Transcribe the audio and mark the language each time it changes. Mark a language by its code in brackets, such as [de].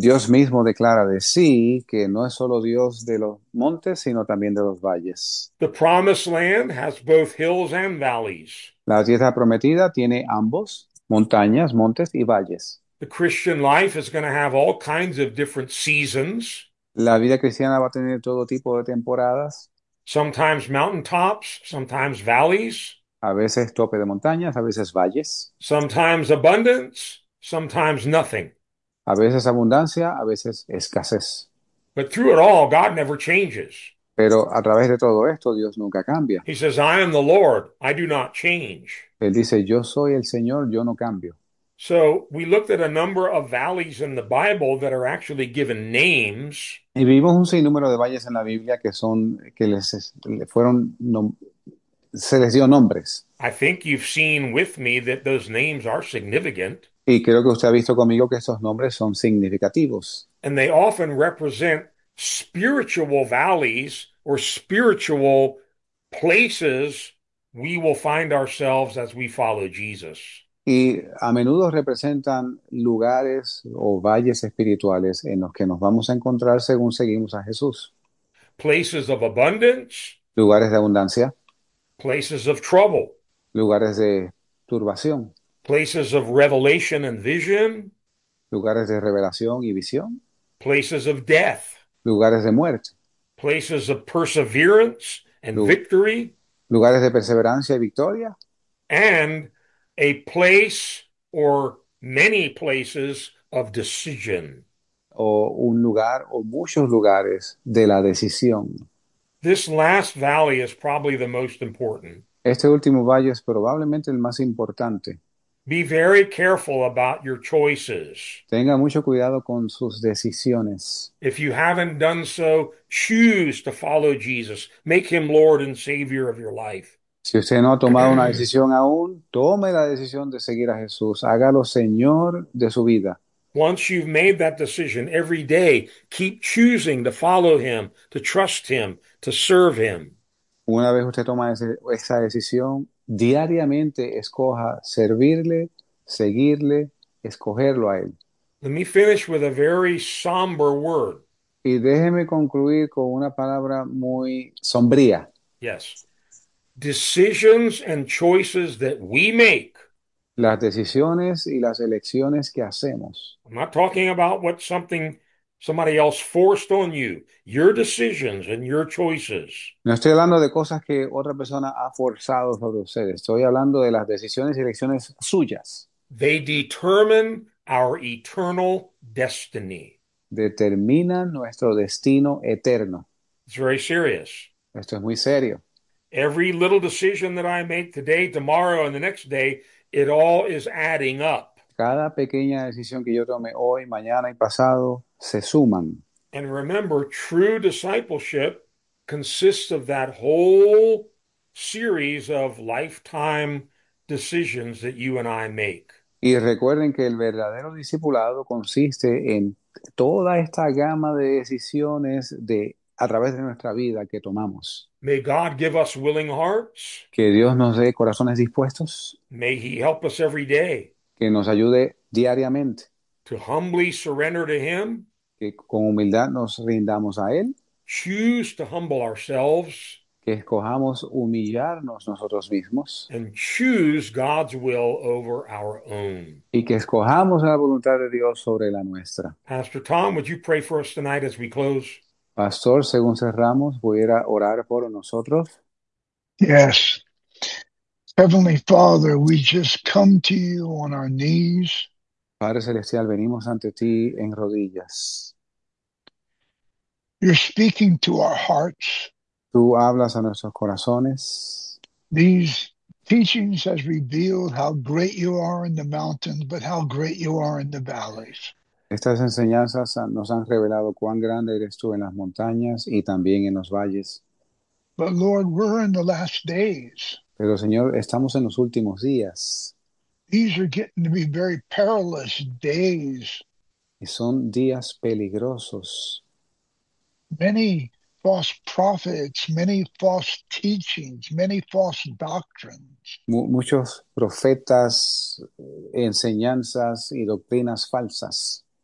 [es] Dios mismo declara de sí que no es solo Dios de los montes, sino también de los valles. [en] The promised land has both hills and valleys. [es] La tierra prometida tiene ambos, montañas, montes y valles. [en] The Christian life is going to have all kinds of different seasons. [es] La vida cristiana va a tener todo tipo de temporadas. [en] Sometimes mountaintops, sometimes valleys. [es] A veces tope de montañas, a veces valles. [en] Sometimes abundance, sometimes nothing. [es] A veces abundancia, a veces escasez. [en] But through it all, God never changes. [es] Pero a través de todo esto, Dios nunca cambia. [en] He says, I am the Lord, I do not change. [es] Él dice, yo soy el Señor, yo no cambio. [en] So we looked at a number of valleys in the Bible that are actually given names. [es] Y vimos un sinnúmero de valles en la Biblia que son que les fueron no, se les dio nombres. [en] I think you've seen with me that those names are significant. [es] Y creo que usted ha visto conmigo que esos nombres son significativos. [en] And they often represent spiritual valleys or spiritual places we will find ourselves as we follow Jesus. [es] Y a menudo representan lugares o valles espirituales en los que nos vamos a encontrar según seguimos a Jesús. [en] Places of abundance, [es] Lugares de abundancia, [en] places of trouble, [es] lugares de turbación, [en] places of revelation and vision, [es] lugares de revelación y visión, [en] places of death, [es] lugares de muerte, [en] places of perseverance. And victory, [es] lugares de perseverancia y victoria. [en] and a place or many places of decision. [es] O un lugar o muchos lugares de la decisión. [en] This last valley is probably the most important. [es] Este último valle es probablemente el más importante. [en] Be very careful about your choices. [es] Tenga mucho cuidado con sus decisiones. [en] If you haven't done so, choose to follow Jesus. Make him Lord and Savior of your life. [es] Si usted no ha tomado una decisión aún, tome la decisión de seguir a Jesús. Hágalo Señor de su vida. [en] Once you've made that decision, every day, keep choosing to follow him, to trust him, to serve him. [es] Una vez usted toma esa decisión, diariamente escoja servirle, seguirle, escogerlo a él. [en] Let me finish with a very somber word. [es] Y déjeme concluir con una palabra muy sombría. [en] Yes. Decisions and choices that we make. [es] Las decisiones y las elecciones que hacemos. [en] I'm not talking about what somebody else forced on you. Your decisions and your choices. [es] No estoy hablando de cosas que otra persona ha forzado sobre ustedes. Estoy hablando de las decisiones y elecciones suyas. [en] They determine our eternal destiny. [es] Determinan nuestro destino eterno. [en] It's very serious. [es] Esto es muy serio. [en] Every little decision that I make today, tomorrow, and the next day, it all is adding up. [es] Cada pequeña decisión que yo tome hoy, mañana y pasado se suman. [en] And remember, true discipleship consists of that whole series of lifetime decisions that you and I make. [es] Y recuerden que el verdadero discipulado consiste en toda esta gama de decisiones de a través de nuestra vida que tomamos. [en] May God give us willing hearts. [es] Que Dios nos dé corazones dispuestos, [en] May He help us every day [es] que nos ayude diariamente, [en] to humbly surrender to Him. [es] que con humildad nos rindamos a Él, [en] Choose to humble ourselves [es] que escojamos humillarnos nosotros mismos. [en] and choose God's will over our own. [es] Y que escojamos la voluntad de Dios sobre la nuestra. [en] Pastor Tom, would you pray for us tonight as we close? [es] Pastor, según cerramos, voy a ir a orar por nosotros. [en] Yes. Heavenly Father, we just come to you on our knees. [es] Padre Celestial, venimos ante ti en rodillas. [en] You're speaking to our hearts. [es] Tú hablas a nuestros corazones. [en] These teachings have revealed how great you are in the mountains, but how great you are in the valleys. [es] Estas enseñanzas nos han revelado cuán grande eres tú en las montañas y también en los valles. [en] But Lord, we're in the last days. [es] Pero Señor, estamos en los últimos días. [en] These are getting to be very perilous days. [es] Y son días peligrosos. [en] Many false prophets, many false teachings, many false doctrines. [es] Muchos profetas, enseñanzas y doctrinas falsas.